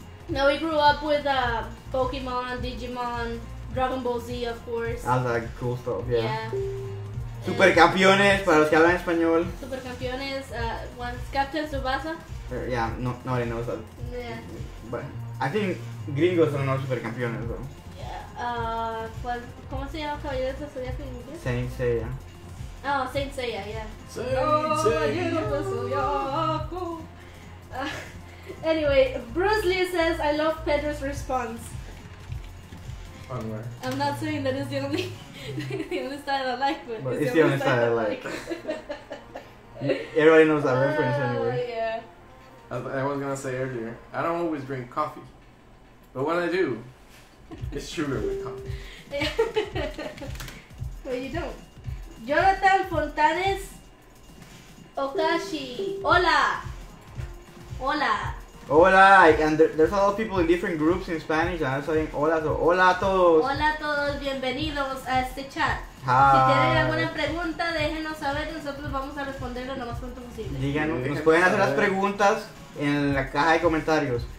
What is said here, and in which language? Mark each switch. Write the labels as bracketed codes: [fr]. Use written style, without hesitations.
[en] Now we grew up with Pokemon, Digimon, Dragon Ball Z, of course. That's like cool stuff, yeah. Yeah. [es] Supercampeones, para los que hablan español. [en] Supercampeones, once Captain Tsubasa. Yeah, no, nobody knows that. Yeah. But I think gringos don't know supercampeones, though. Yeah, well, [es] ¿cómo se llama Caballeros de Zodiaco en inglés? [en] Saint Seiya. Oh, Saint Seiya, yeah. Saint Seiya. Anyway, Bruce Lee says, I love Pedro's response. On where? I'm not saying that it's the only... The only style I like, but it's the only style I like. Everybody knows that reference anyway. Yeah. I was gonna say earlier, I don't always drink coffee. But when I do, it's sugar with coffee. Well, you don't. Jonathan Fontanes Okashi. Hola. Hola. Hola, and there's a lot of people in different groups in Spanish, and I'm saying [es] hola a todos. Hola a todos, bienvenidos a este chat. [en] Hi. [es] Si tienen alguna pregunta, déjenos saber, nosotros vamos a responderlo lo más pronto posible. Díganos, nos pueden hacer las preguntas en la caja de comentarios.